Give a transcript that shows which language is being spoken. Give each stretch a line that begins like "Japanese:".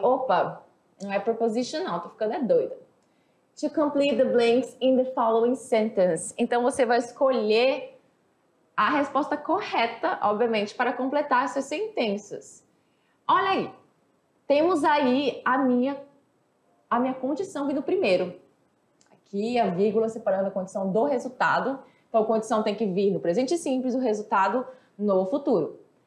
Portuguese: Opa, não é preposition não, tô ficando doida.
English: To complete the blanks in the following sentence.
Portuguese: Então você vai escolher a resposta correta, obviamente, para completar essas sentenças. Olha aí, temos aí a minha condição vindo primeiro. Aqui a vírgula separando a condição do resultado. Então a condição tem que vir no presente simples, o resultado no futuro.